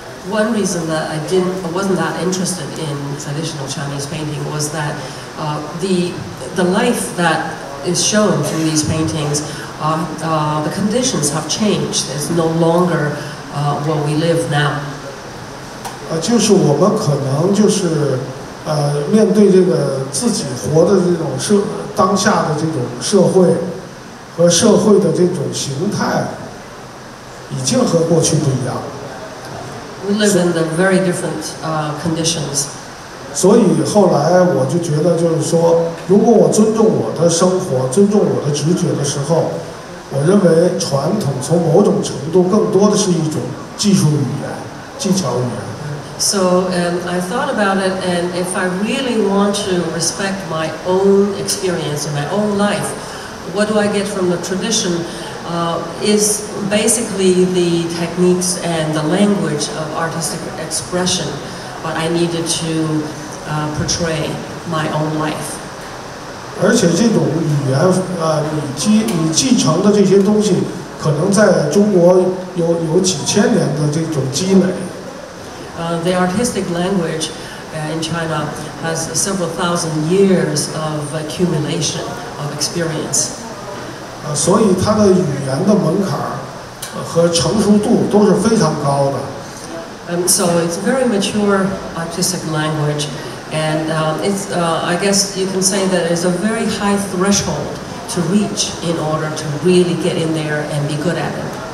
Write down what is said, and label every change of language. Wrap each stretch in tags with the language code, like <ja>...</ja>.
<en>One reason that I wasn't that interested in traditional Chinese painting was that the life that is shown through these paintings, the conditions have changed. It's no longer what we live now.</en> <zh>就是我们可能就是。面对这个自己活的这种当下的这种社会和社会的这种形态，已经和过去不一样了。</zh> <en>We live in the very different conditions.</en> <zh>所以后来我就觉得，就是说，如果我尊重我的生活，尊重我的直觉的时候，我认为传统从某种程度更多的是一种技术语言、技巧语言。</zh> <en>So I thought about it, and if I really want to respect my own experience and my own life, what do I get from the tradition is basically the techniques and the language of artistic expression, but I needed to portray my own life.</en> <zh>而且这种语言你继承的这些东西可能在中国有几千年的这种积累。</zh> <en>The artistic language in China has several thousand years of accumulation of experience.</en> <zh>所以它的语言的门槛和成熟度都是非常高的。</zh> <en>So it's very mature artistic language, and it's I guess you can say that it's a very high threshold to reach in order to really get in there and be good at it.</en>